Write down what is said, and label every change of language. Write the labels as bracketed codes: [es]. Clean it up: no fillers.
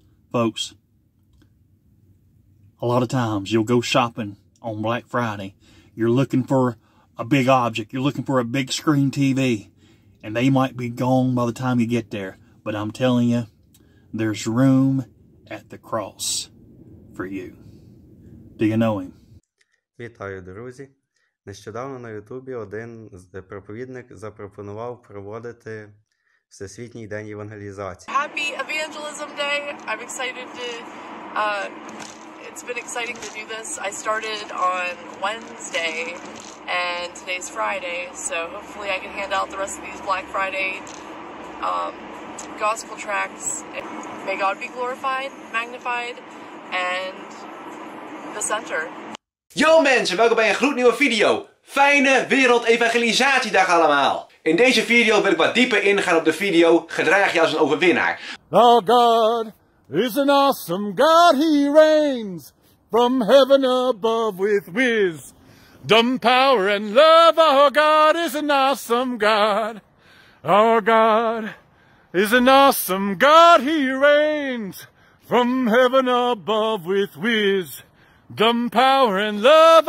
[en] Folks, a lot of times you'll go shopping on Black Friday. You're looking for a big object. You're looking for a big screen TV. And they might be gone by the time you get there. But I'm telling you, there's room at the cross for you. Do you know him? [uk] Вітаю, друзі. Нещодавно на Ютубі один проповідник запропонував проводити Всесвітній день евангелізації. [en] Happy Evangelism Day. I'm excited to it's been exciting to do this. I started on Wednesday and today's Friday, so hopefully I can hand out the rest of these Black Friday gospel tracts. May God be glorified, magnified, and the center. [nl] Yo mensen, welkom bij een gloednieuwe video. Fijne wereldevangelisatiedag allemaal. In deze video wil ik wat dieper ingaan op de video Gedraag je als een overwinnaar. [en] The God is an awesome God. He reigns from heaven above with wisdom, power and love. Our God is an awesome God. Our God is an awesome God. He reigns from heaven above with wisdom, dumb power and love.